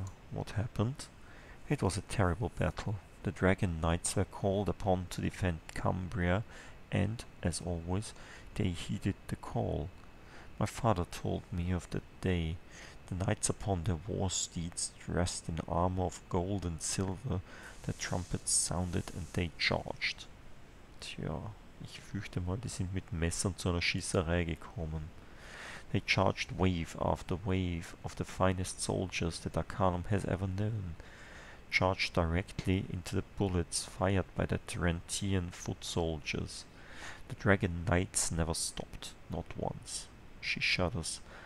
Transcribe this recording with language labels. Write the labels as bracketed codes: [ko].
[en] What happened? It was a terrible battle. The Dragon Knights were called upon to defend Cumbria and, as always, they heeded the call. My father told me of that day. The knights upon their war steeds, dressed in armor of gold and silver, their trumpets sounded and they charged. [de] Tja, ich fürchte mal, die sind mit Messern zu einer Schießerei gekommen. [en] They charged wave after wave of the finest soldiers that Arcanum has ever known. Charged directly into the bullets fired by the Tarantian foot soldiers. The Dragon Knights never stopped, not once. She shudders.